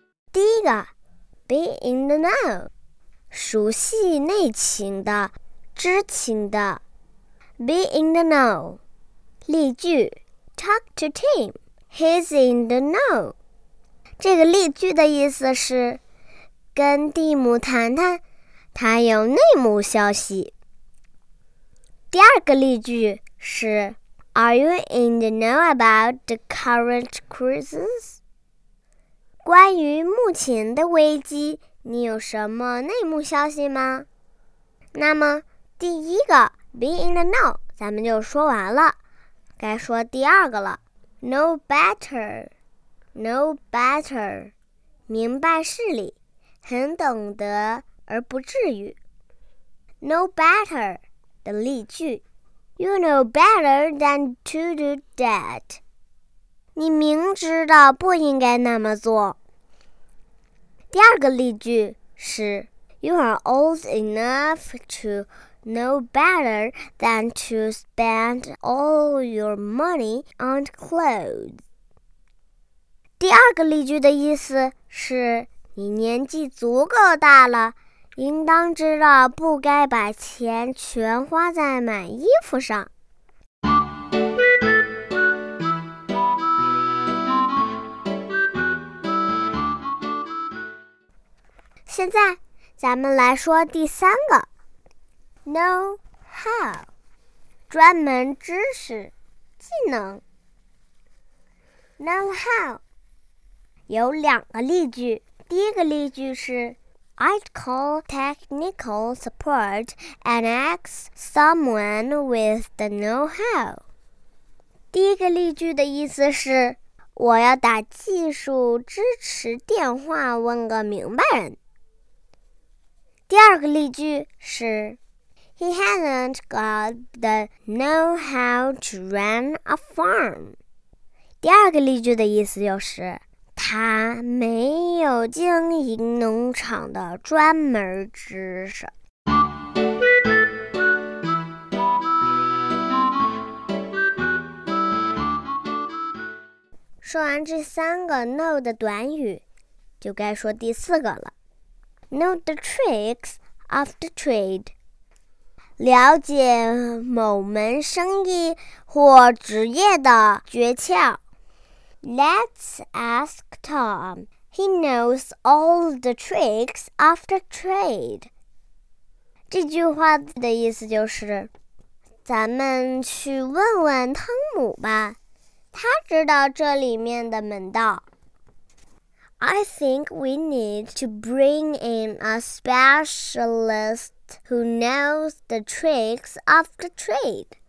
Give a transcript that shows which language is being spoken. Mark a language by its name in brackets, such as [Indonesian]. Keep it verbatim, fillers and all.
[Chinese] 第一个 [English] Be in the know， [Chinese] 熟悉内情的，知情的。 [English] Be in the know。 [Chinese] 例句 [English] Talk to Tim， He's in the know。 [Chinese] 这个例句的意思是跟蒂姆谈谈，他有内幕消息。第二个例句是 [English] Are you in the know about the current crisis？ [Chinese] 关于目前的危机，你有什么内幕消息吗？那么第一个 [English] Be in the know [Chinese] 咱们就说完了，该说第二个了。 [English] Know better， Know better， [Chinese] 明白事理，很懂得而不至于。 [English] Know better [Chinese] 的例句 [English] You know better than to do that， [Chinese] 你明知道不应该那么做。第二个例句是 [English] You are old enough to know better than to spend all your money on clothes。 [Chinese] 第二个例句的意思是你年纪足够大了，应当知道不该把钱全花在买衣服上。现在咱们来说第三个 [English] Know how， [Chinese] 专门知识，技能。 [English] Know how [Chinese] 有两个例句。第一个例句是 [English] I'd call technical support and ask someone with the know-how。 [Chinese] 第一个例句的意思是我要打技术支持电话，问个明白人。第二个例句是 [English] He hasn't got the know-how to run a farm。 [Chinese] 第二个例句的意思就是他没有经营农场的专门知识。说完这三个 know 的短语，就该说第四个了。 [English] Know the tricks of the trade， [Chinese] 了解某门生意或职业的诀窍。 [English] Let's ask Tom. He knows all the tricks of the trade。 [Chinese] 这句话的意思就是，咱们去问问汤姆吧，他知道这里面的门道。 [English] I think we need to bring in a specialist who knows the tricks of the trade。